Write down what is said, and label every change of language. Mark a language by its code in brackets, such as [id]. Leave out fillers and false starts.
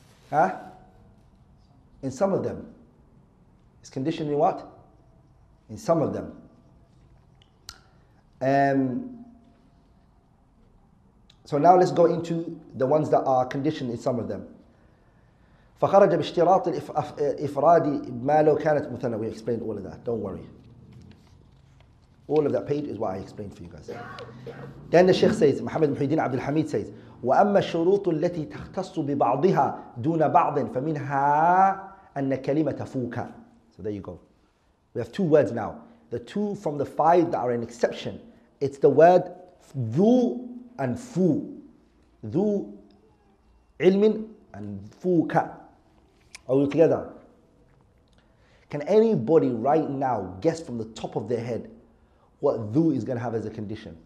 [en] Huh? In some of them. It's conditioned in what? In some of them. So now let's go into the ones that are conditioned in some of them. [ar] فخرج باشتراط الإفراد ما لو كانت مثنى. [en] We explained all of that. Don't worry. All of that page is what I explained for you guys. Then the Sheikh says, Muhammad Muhyiddin Abdul Hamid says, [ar] وأما الشروط التي تختص ببعضها دون بعض فمنها أن كلمة فوكا. [en] So there you go. We have two words now. The two from the five that are an exception. It's the word ذو and فو. ذو علم and فوكا. Are we together? Can anybody right now guess from the top of their head what ذو is going to have as a condition?